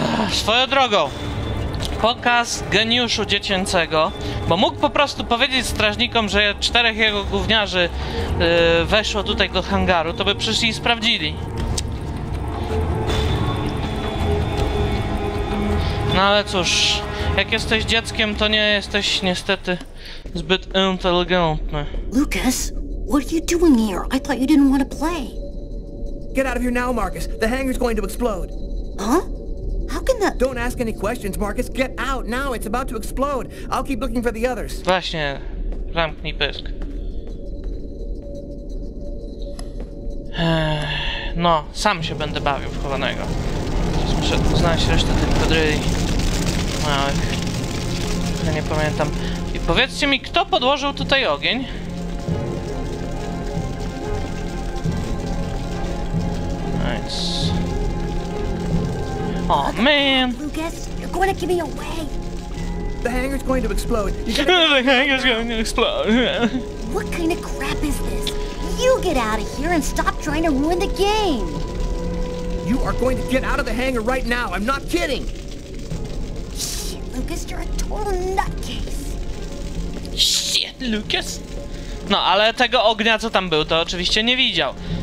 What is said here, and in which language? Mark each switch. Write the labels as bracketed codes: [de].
[pl] Swoją drogą! Pokaz geniuszu dziecięcego, bo mógł po prostu powiedzieć strażnikom, że czterech jego gówniarzy weszło tutaj do hangaru, to by przyszli i sprawdzili. No ale cóż, jak jesteś dzieckiem, to nie jesteś niestety zbyt inteligentny. [en] Lucas, what are you doing here? I thought you didn't want to play. Get out of here now, Marcus. The hangar's going to explode. Huh? How can that... Don't ask any questions, Marcus. Get out now. It's about to explode. I'll keep looking for the others. [pl] Właśnie. Zamknij pysk. No, sam się będę bawił w chowanego. Teraz muszę znaleźć resztę tych kadryli małych. Ja nie pamiętam. I powiedzcie mi, kto podłożył tutaj ogień? [en] Nice. Oh man! Lucas, you're going to give me away! The hangar's going to explode! The hangar's going to explode! What kind of crap is this? You get out of here and stop trying to ruin the game! You are going to get out of the hangar right now! I'm not kidding! Shit, Lucas, you're a total nutcase! Shit, Lucas! [pl] No, ale tego ognia, co tam był, to oczywiście nie widział.